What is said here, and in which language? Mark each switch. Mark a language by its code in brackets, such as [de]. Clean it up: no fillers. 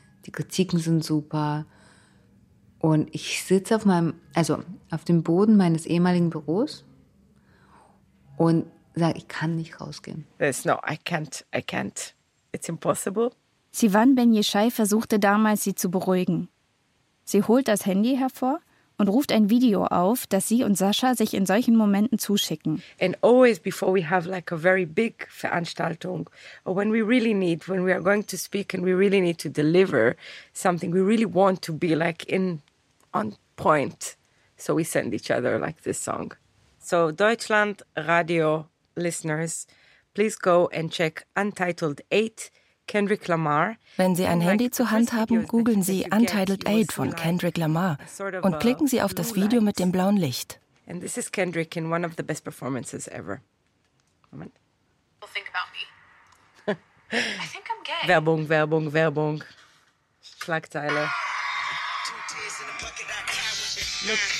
[de] Die Kritiken sind super. Und ich sitze auf meinem, also auf dem Boden meines ehemaligen Büros und sage, ich kann nicht rausgehen. [en] There's no, I can't. It's impossible. [de] Sivan Ben-Yeshai versuchte damals, sie zu beruhigen. Sie holt das Handy hervor und ruft ein Video auf, das sie und Sascha sich in solchen Momenten zuschicken. [en] And always before we have like a very big Veranstaltung, or when we really need, when we are going to speak and we really need to deliver something, we really want to be like in on point. So we send each other like this song. So Deutschland Radio listeners, please go and check Untitled 8. Kendrick Lamar. [de] Wenn Sie ein Handy zur Hand haben, googeln Sie Untitled 8 von Kendrick Lamar und klicken Sie auf das Video mit dem blauen Licht. [en] And this is Kendrick in one of the best performances ever. [de] Moment. Werbung, Werbung, Werbung. Schlagzeile. [en] Look.